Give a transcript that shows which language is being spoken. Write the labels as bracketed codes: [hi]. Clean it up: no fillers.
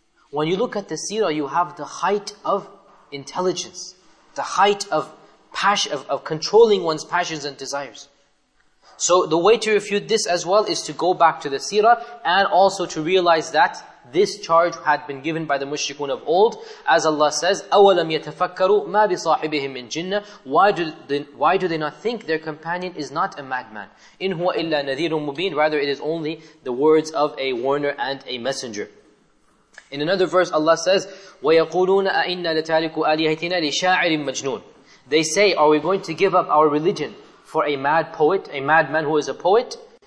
[en] When you look at the seerah, you have the height of intelligence, the height of passion, of controlling one's passions and desires. So the way to refute this as well is to go back to the seerah and also to realize that this charge had been given by the mushrikun of old. As Allah says, [ar] أَوَلَمْ يَتَفَكَّرُوا مَا بِصَاحِبِهِمْ مِنْ جِنَّةِ. [en] Why do they not think their companion is not a madman? [ar] إِنْ هُوَ إِلَّا نَذِيرٌ مُبِينٌ. [en] Rather, it is only the words of a warner and a messenger. In another verse, Allah says, [ar] وَيَقُولُونَ أَإِنَّا لَتَالِكُوا آلِهَتِنَا لِشَاعِرٍ مَجْنُونَ. [en] They say, are we going to give up our religion for a mad poet, a madman who is a poet?